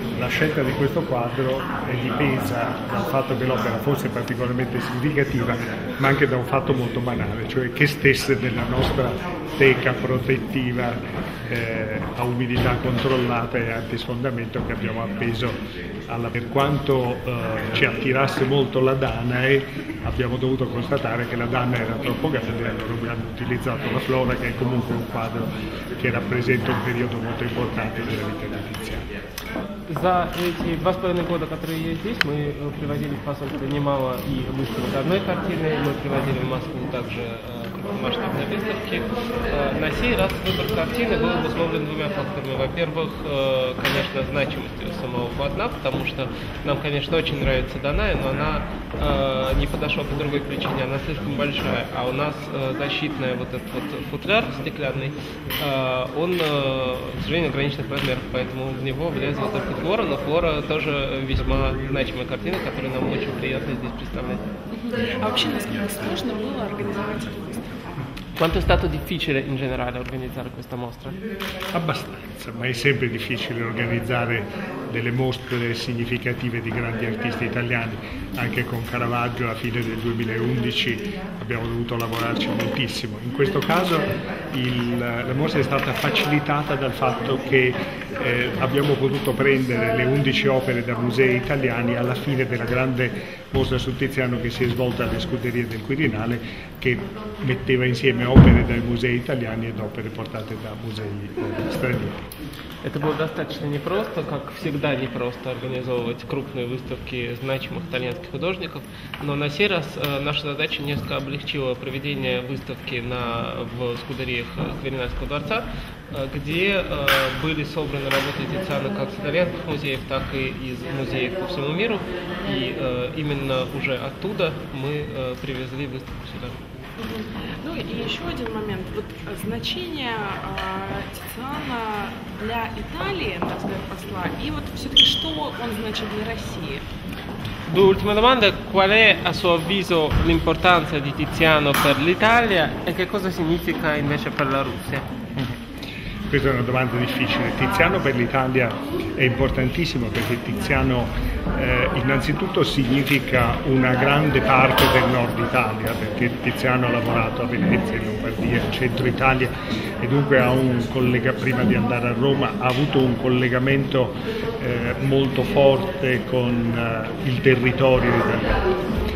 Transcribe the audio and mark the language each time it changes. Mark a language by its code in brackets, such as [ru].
[it] La scelta di questo quadro è dipesa dal fatto che l'opera fosse particolarmente significativa, ma anche da un fatto molto banale, cioè che stesse nella nostra teca protettiva a umidità controllata e antisfondamento che abbiamo appeso alla. Per quanto ci attirasse molto la Danae, abbiamo dovuto constatare che la Danae era troppo grande, allora abbiamo utilizzato la Flora, che è comunque un quadro che rappresenta un periodo molto importante della vita di Tiziano. [ru] За эти 2,5 года, которые я здесь, мы привозили в посольство немало и выставок одной картины, мы привозили в Москву также крупномасштабные выставки. На сей раз выбор картины был обусловлен двумя факторами. Во-первых, конечно, значимостью самого полотна, потому что нам, конечно, очень нравится Данае, но она не подошла по другой причине, она слишком большая. А у нас защитный вот этот вот футляр стеклянный, он, к сожалению, ограниченных размеров, поэтому в него влезло только Флора, но Флора тоже весьма значимая картина, которую нам очень приятно здесь представлять. А вообще, насколько сложно было организовать эту выставку? [it] Quanto è stato difficile in generale organizzare questa mostra? Abbastanza, ma è sempre difficile organizzare delle mostre significative di grandi artisti italiani. Anche con Caravaggio a fine del 2011 abbiamo dovuto lavorarci moltissimo. In questo caso la mostra è stata facilitata dal fatto che abbiamo potuto prendere le 11 opere da musei italiani alla fine della grande mostra su Tiziano che si è svolta alle Scuderie del Quirinale, che metteva insieme opere dai musei italiani ed opere portate da musei stranieri. [ru] Это было достаточно непросто, как всегда непросто организовывать крупные выставки значимых итальянских художников, но на сей раз наша задача несколько облегчила проведение выставки в Скудериях Кверинальского дворца, где были собраны работы Тициана как с итальянских музеев, так и из музеев по всему миру, и именно уже оттуда мы привезли выставку сюда. Ну и еще один момент. Вот значение Тициана для Италии, на взгляд посла, и вот все-таки что он значит для России? [it] Due ultime domande: qual è a suo avviso l'importanza di Tiziano per l'Italia e che cosa significa invece per la Russia? Questa è una domanda difficile. Tiziano per l'Italia è importantissimo perché Tiziano innanzitutto significa una grande parte del nord Italia, perché Tiziano ha lavorato a Venezia, in Lombardia, in centro Italia, e dunque ha un collega, prima di andare a Roma, ha avuto un collegamento molto forte con il territorio italiano.